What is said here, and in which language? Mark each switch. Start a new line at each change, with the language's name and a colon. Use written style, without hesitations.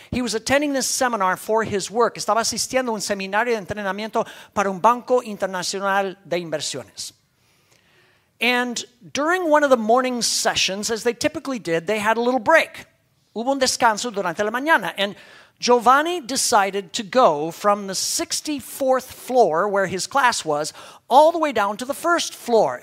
English: He was attending this seminar for his work.
Spanish: Estaba asistiendo a un seminario de entrenamiento para un banco internacional de inversiones.
English: And during one of the morning sessions, as they typically did, they had a little break.
Spanish: Hubo un descanso durante la mañana.
English: And Giovanni decided to go from the 64th floor, where his class was, all the way down to the first floor.